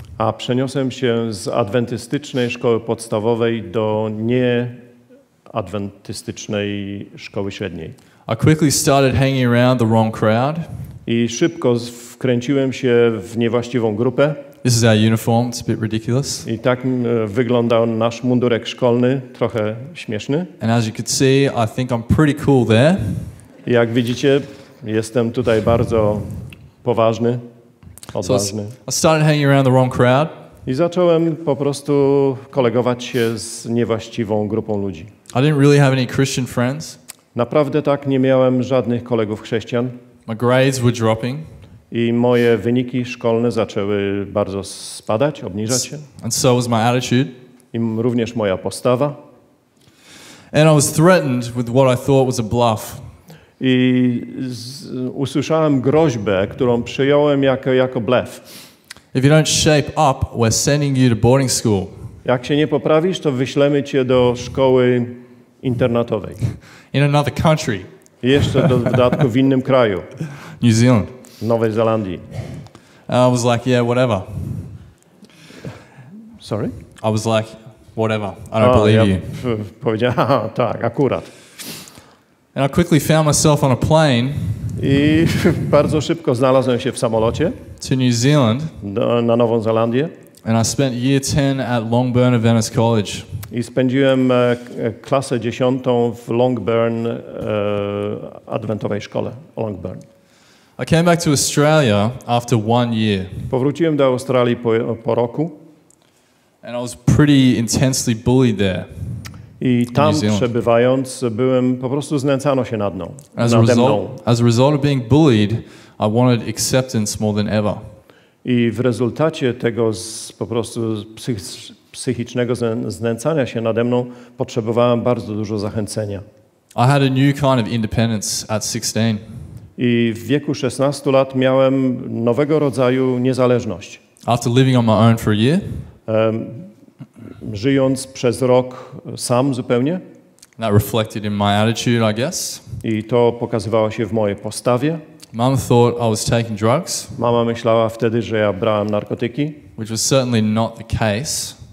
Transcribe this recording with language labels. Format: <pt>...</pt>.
<pl>A przeniosłem się z adwentystycznej szkoły podstawowej do nie adwentystycznej szkoły średniej.</pl> <en>I quickly started hanging around the wrong crowd.</en> <pl>I szybko wkręciłem się w niewłaściwą grupę.</pl> <en>This is our uniform, it's a bit ridiculous.</en> <pl>I tak wyglądał nasz mundurek szkolny, trochę śmieszny.</pl> <en>And as you could see, I think I'm pretty cool there.</en> <pl>I jak widzicie, jestem tutaj bardzo poważny, odważny.</pl> <en>So I started hanging around the wrong crowd.</en> <pl>I zacząłem po prostu kolegować się z niewłaściwą grupą ludzi.</pl> <en>I didn't really have any Christian friends.</en> <pl>Naprawdę tak, nie miałem żadnych kolegów chrześcijan.</pl> <en>My grades were dropping.</en> <pl>I moje wyniki szkolne zaczęły bardzo spadać, obniżać się.</pl> <en>And so was my attitude.</en> <pl>I również moja postawa.</pl> <en>And I was threatened with what I thought was a bluff.</en> <pl>I usłyszałem groźbę, którą przyjąłem jako blef.</pl> <en>If you don't shape up, we're sending you to boarding school.</en> <pl>Jak się nie poprawisz, to wyślemy cię do szkoły internatowej.</pl> <en>In another country.</en> <pl>Jeszcze do dodatku w innym kraju.</pl> <en>New Zealand.</en> <pl>Nowej Zelandii.</pl> <en>I was like, yeah, whatever. Sorry? I was like, whatever. I don't believe you.</en> <pl>Powiedziałem, tak, akurat.</pl> <en>And I quickly found myself on a plane.</en> <pl>I bardzo szybko znalazłem się w samolocie.</pl> <en>To New Zealand.</en> <pl>Na Nową Zelandię.</pl> <en>And I spent year 10 at Longburn Adventist College.</en> <pl>I spędziłem klasę 10 w Longburn Adwentowej Szkole. Longburn.</pl> <en>I came back to Australia after 1 year.</en> <pl>Powróciłem do Australii po roku.</pl> <en>And I was pretty intensely bullied there.</en> <pl>I tam przebywając, byłem po prostu znęcano się nad mną.</pl> <en>As a result of being bullied, I wanted acceptance more than ever.</en> <pl>I w rezultacie tego po prostu psychicznego znęcania się nade mną, potrzebowałem bardzo dużo zachęcenia.</pl> <en>I had a new kind of independence at 16.</en> <pl>I w wieku 16 lat miałem nowego rodzaju niezależność.</pl> <en>After living on my own for a year,</en> <pl>żyjąc przez rok sam zupełnie.</pl> <en>That reflected in my attitude, I guess.</en> <pl>I to pokazywało się w mojej postawie.</pl> <en>Mom thought I was taking drugs.</en> <pl>Mama myślała wtedy, że ja brałem narkotyki.</pl> <en>Which was certainly not the case.</en>